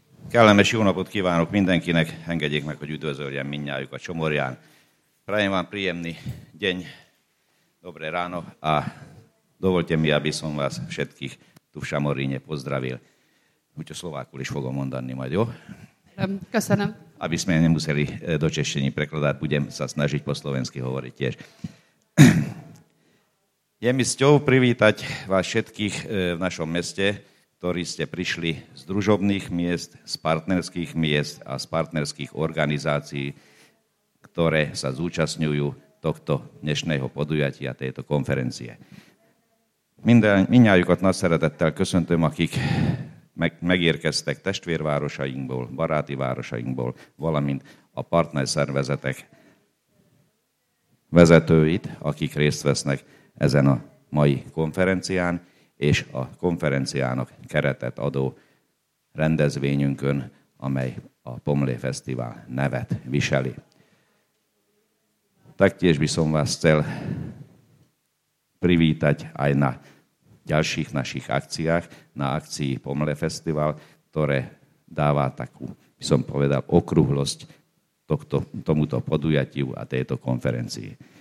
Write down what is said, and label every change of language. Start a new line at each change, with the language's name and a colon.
Hungarian: Kellemes jó napot kívánok mindenkinek, engedjék meg, hogy üdvözöljem mindnyájuk a csomorján.
Slovak: Prajem vám príjemný deň, dobré ráno a dovolte mi, aby som vás všetkých tu v Šamoríne pozdravil.
Hungarian: Úgyhogy szlovákul is fogom mondani majd, jó? Köszönöm.
Slovak: Aby sme nemuseli do češtiny prekladať, budem sa snažiť po slovensky hovoriť tiež. Je mi cťou privítať vás všetkých v našom meste, ktorí ste prišli z družobných miest a z partnerských organizácií, ktoré sa zúčastňujú tohto dnešného podujatia, tejto konferencie.
Hungarian: Mindenkit nagy szeretettel köszöntöm, akik megérkeztek testvérvárosainkból, baráti városainkból, valamint a partnerszervezetek vezetőit, akik részt vesznek ezen a mai konferencián, és a konferenciának keretet adó rendezvényünkön, amely a Pomlé Fesztivál nevet viseli.
Slovak: Taktiež by som vás chcel privítať aj na ďalších našich akciách, na akcii Pomlé Fesztivál, ktoré dáva takú, by som povedal, okrúhlosť tomuto podujatiu a tejto konferencii.